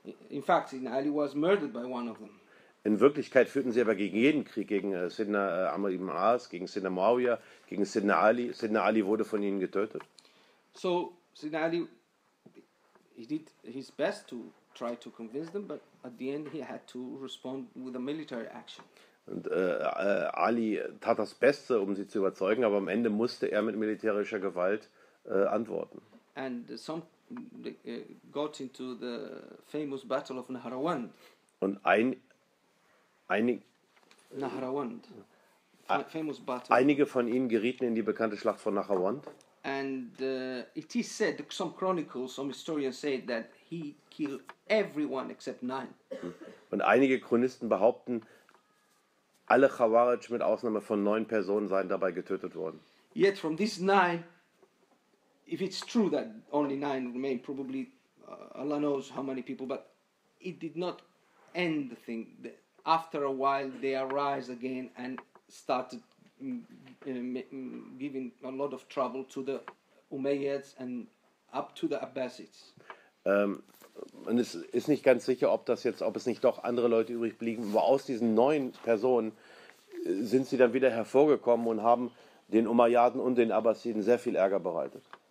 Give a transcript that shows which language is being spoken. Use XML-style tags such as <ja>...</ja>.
<en>In fact, Sidna Ali was murdered by one of them.</en> <de>In Wirklichkeit führten sie aber gegen jeden Krieg, gegen Sidna Amr ibn al-As, gegen Sidna Muawiyah, gegen Sidna Ali. Sidna Ali wurde von ihnen getötet.</de> <en>So, Sidna Ali, he did his best to try to convince them, but at the end he had to respond with a military action.</en> <de>Und Ali tat das Beste, um sie zu überzeugen, aber am Ende musste er mit militärischer Gewalt antworten.</de> <en>And some got into the famous battle of Nahrawand.</en> <de>Und einige Nahrawand.</de> <en>Famous battle.</en> <de>Einige von ihnen gerieten in die bekannte Schlacht von Nahrawand.</de> <en>And it is said, some chronicles, some historians say that he killed everyone except nine.</en> <de>Und einige Chronisten behaupten, alle Khawarij mit Ausnahme von 9 Personen seien dabei getötet worden.</de> <en>Yet from these 9, if it's true that only 9 remain, probably Allah knows how many people, but it did not end the thing. After a while, they arise again and started giving a lot of trouble to the Umayyads and up to the Abbasids.</en> <de>Und es ist nicht ganz sicher, ob es nicht doch andere Leute übrig blieben. Aber aus diesen 9 Personen sind sie dann wieder hervorgekommen und haben den Umayyaden und den Abbasiden sehr viel Ärger bereitet.</de>